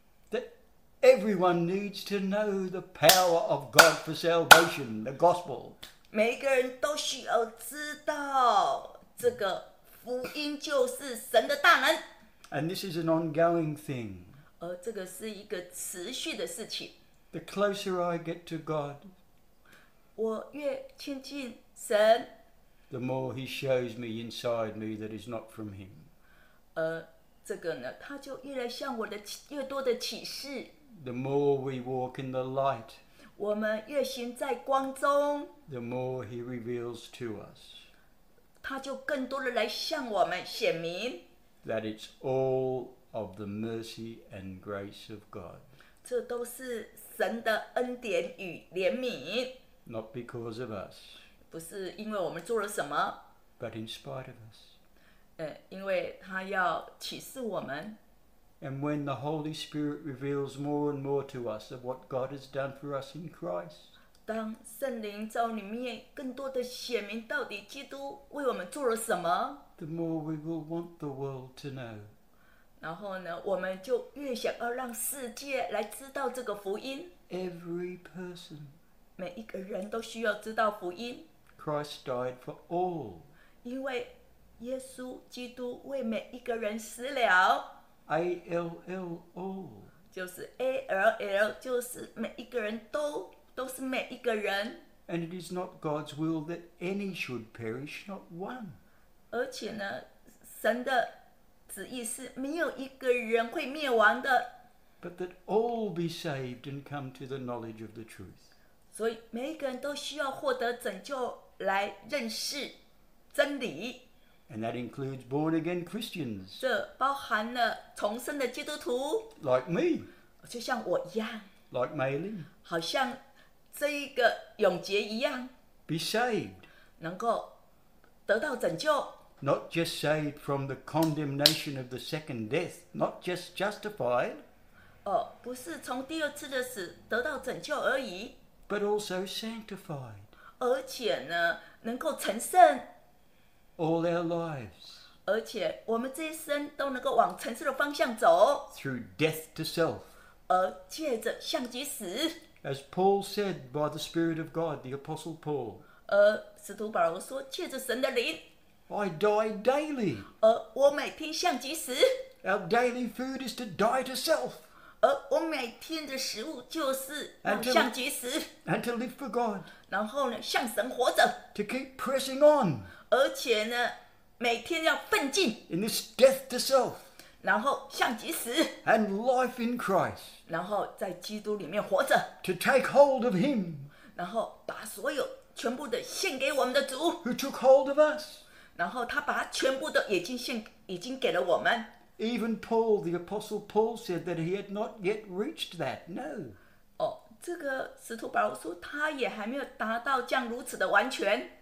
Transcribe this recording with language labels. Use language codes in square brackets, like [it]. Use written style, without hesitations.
[en] that everyone needs to know the power of God for salvation the gospel [zh] 每个人都需要知道这个福音就是神的大能 [en] and this is an ongoing thing [zh] 这个是一个持续的事情 [en] The closer I get to God, [zh] 我越亲近神 [en] the more He shows me inside me that is not from Him. [zh] 这个呢，他就越来向我的越多的启示 [en] The more we walk in the light, [zh] 我们越行在光中 [en] the more He reveals to us. [zh] 他就更多的来向我们显明 [en] that it's all of the mercy and grace of God. [zh] 这都是神的恩典与怜悯 [en] Not because of us [zh] 不是因为我们做了什么 [en] But in spite of us [zh] 因为他要启示我们 [en] And when the Holy Spirit reveals more and more to us of what God has done for us in Christ [zh] 当圣灵在里面更多的显明到底基督为我们做了什么 [en] The more we will want the world to know [zh] 然后呢我们就越想要让世界来知道这个福音 [en] Every person [zh] 每一个人都需要知道福音 [en] Christ died for all [zh] 因为耶稣基督为每一个人死了。 [en] ALLO [zh] 就是 ALL， 就是每一个人都是每一个人。 [en] And it is not God's will that any should perish, not one. [zh] 而且呢，神的旨意是没有一个人会灭亡的。 [en] But that all be saved and come to the knowledge of the truth. [zh] 所以每一个人都需要获得拯救来认识真理。 [en] And that includes born again Christians. [zh] 这包含了重生的基督徒。 [en] Like me. [zh] 就像我一样。 [en] Like Maylin. [zh] 好像这一个永杰一样。 [en] Be saved. [zh] 能够得到拯救。 [en] Not just saved from the condemnation of the second death, not just justified. [zh] 哦，不是从第二次的死得到拯救而已。 [en] But also sanctified. [zh] 而且呢，能够成圣。 [en] All our lives. [zh] 而且我们这一生都能够往成圣的方向走。 [en] Through death to self. [zh] 而借着向己死。 [en] As Paul said by the Spirit of God, the Apostle Paul. [zh] 而使徒保罗说，借着神的灵。 [en] I die daily. [zh] 而我每天向己死。 [en] Our daily food is to die to self. [zh] 而我每天的食物就是向己死。 [en] And to live for God. [zh] 然后呢，向神活着。 [en] To keep pressing on. [zh] 而且呢，每天要奋进。 [en] In this death to self. [zh] 然后向己死。 [en] And life in Christ. [zh] 然后在基督里面活着。 [en] To take hold of Him. [zh] 然后把所有全部的献给我们的主。 [en] Who took hold of us. [zh] 然后他把他全部的已经给了我们。 [en] Even Paul, the Apostle Paul, said that he had not yet reached that. No. [zh] 哦，这个使徒保罗说他也还没有达到这样如此的完全。